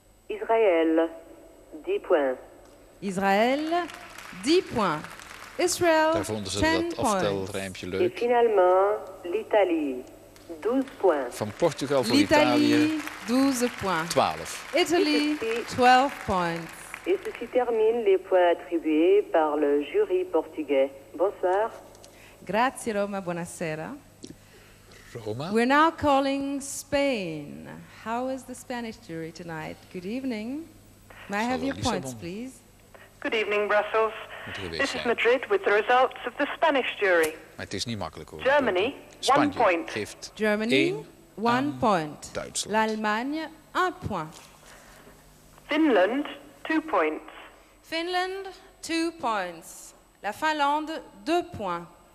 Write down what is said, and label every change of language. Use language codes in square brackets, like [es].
[fr] Israël, 10 points. Israël, 10 points. Israël, 10 points. [nl] Daar vonden ze dat aftelrijmpje leuk. [fr] Et finalement, l'Italie, 12 points. [nl] Van Portugal voor Italië, [fr] 12 points. 12. [en] Italy, 12 points. [fr] Et ceci termine les points attribués par le jury portugais. Bonsoir. [it] Grazie Roma, buonasera. Roma. [en] We're now calling Spain. How is the Spanish jury tonight? Good evening. May I have your points, please? Good evening, Brussels. This is Madrid with the results of the Spanish jury. [nl] Maar het is niet makkelijk hoor. [en] Germany, 1 point. Germany, 1 point. [nl] Duitsland. [fr] L'Allemagne, 1 point. [en] Finland, 2 points. Finland, 2 points. [fr] La Finlande, 2 points.